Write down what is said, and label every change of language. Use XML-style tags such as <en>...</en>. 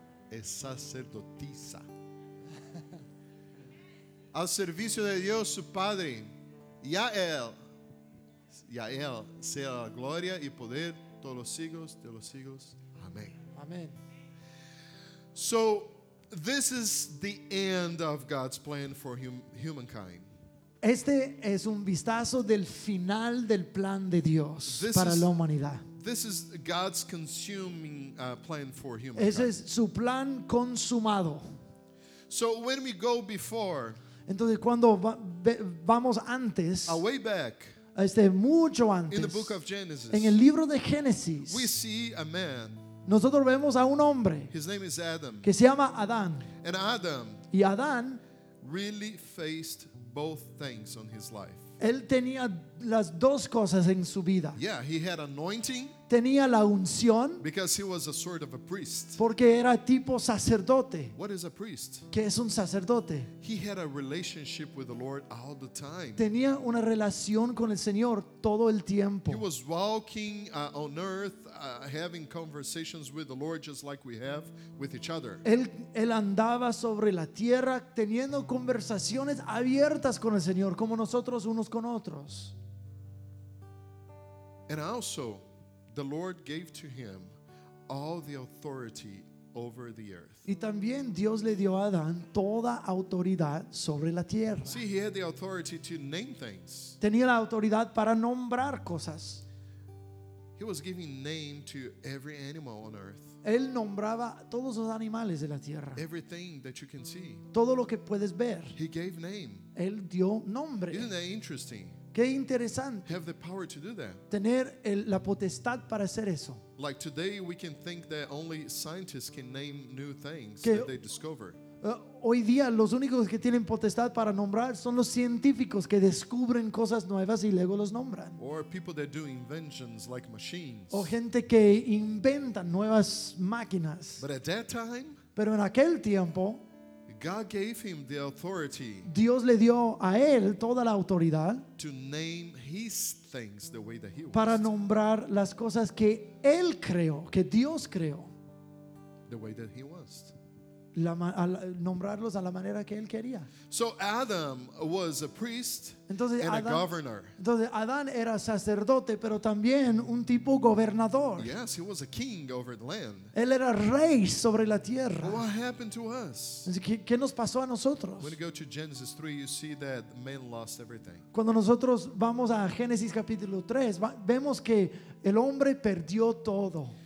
<es>Es sacerdotisa. Al servicio de Dios, su Padre. Y a él sea la gloria y poder todos los siglos de los siglos. Amen. Amen.</es> <en>So This is the end of God's plan for humankind.</en> <es>Este es un vistazo del final del plan de Dios para la humanidad.</es> <en>This is God's consuming plan for humankind.</en> <es>Ese es su plan consumado.</es> <en>So when we go before,</en> <es>entonces cuando vamos antes,</es> <en>way back,</en> <es>mucho antes,</es> <en>in the book of Genesis,</en> <es>en el libro de Génesis,</es> <en>we see a man.</en> <es>Nosotros vemos a un hombre.</es> <en>His name is Adam.</en> <es>Que se llama Adán.</es> <en>And Adam.</en> <es>Y Adán</es> <en>really faced both things on his life.</en> <es>Él tenía las dos cosas en su vida.</es> <en>Yeah, he had anointing.</en> <es>Tenía la unción.</es> <en>Because he was a sort of a priest.</en> <es>Porque era tipo sacerdote.</es> <en>What is a priest?</en> <es>¿Qué es un sacerdote?</es> <en>He had a relationship with the Lord all the time.</en> <es>Tenía una relación con el Señor todo el tiempo.</es> <en>He was walking on earth. Having conversations with the Lord just like we have with each other.</en> <es>Él andaba sobre la tierra teniendo conversaciones abiertas con el Señor como nosotros unos con otros.</es> <en>And also the Lord gave to him all the authority over the earth.</en> <es>Y también Dios le dio a Adán toda autoridad sobre la tierra.</es> <en>See, he had the authority to name things.</en> <es>Tenía la autoridad para nombrar cosas.</es> <en>He was giving name to every animal on earth.</en> <es>Él nombraba todos los animales de la tierra.</es> <en>Everything that you can see.</en> <es>Todo lo que puedes ver.</es> <en>He gave name.</en> <es>Él dio nombre.</es> <en>Isn't that interesting?</en> <es>Qué interesante.</es> <en>Have the power to do that.</en> <es>Tener la potestad para hacer eso.</es> <en>Like today we can think that only scientists can name new things that they discover.</en> <es>Hoy día los únicos que tienen potestad para nombrar son los científicos que descubren cosas nuevas y luego los nombran.</es> <en>Or people that do inventions like machines.</en> <es>O gente que inventa nuevas máquinas.</es> <en>But at that time,</en> <es>pero en aquel tiempo,</es> <en>God gave him the authority.</en> <es>Dios le dio a él toda la autoridad</es> <en>to name his things the way that he wants.</en> <es>Para nombrar las cosas que él creó, que Dios creó.</es> <en>The way that he wants.</en> <es>Nombrarlos a la manera que él quería.</es> <en>So Adam was a priest,</en> <es>entonces,</es> <en>and Adam, a governor.</en> <es>Entonces Adán era sacerdote, pero también un tipo gobernador.</es> <en>Yes, he was a king over the land.</en> <es>Él era rey sobre la tierra.</es> <en>What happened to us?</en> <es>¿Qué nos pasó a nosotros?</es> <en>When you go to Genesis 3, you see that man lost everything.</en> <es>Cuando nosotros vamos a Génesis capítulo 3, vemos que el hombre perdió todo.</es>